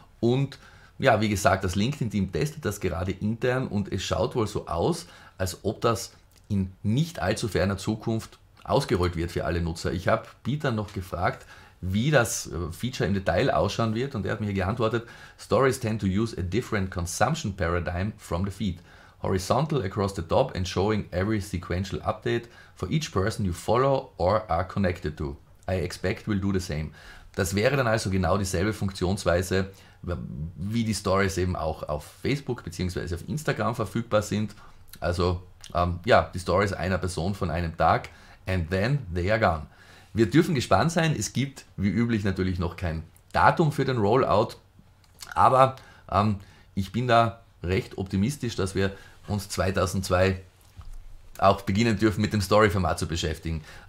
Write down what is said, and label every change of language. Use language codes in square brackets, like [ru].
[de] Und ja, wie gesagt, das LinkedIn-Team testet das gerade intern und es schaut wohl so aus, als ob das in nicht allzu ferner Zukunft ausgerollt wird für alle Nutzer. Ich habe Peter noch gefragt, wie das Feature im Detail ausschauen wird und er hat mir geantwortet, [en] Stories tend to use a different consumption paradigm from the feed. Horizontal across the top and showing every sequential update for each person you follow or are connected to. I expect we'll do the same. [de] Das wäre dann also genau dieselbe Funktionsweise, wie die Stories eben auch auf Facebook bzw. auf Instagram verfügbar sind. Also ja, die Stories einer Person von einem Tag [en] and then they are gone. [de] Wir dürfen gespannt sein. Es gibt wie üblich natürlich noch kein Datum für den Rollout, aber ich bin da recht optimistisch, dass wir uns 2002 auch beginnen dürfen, mit dem Story-Format zu beschäftigen.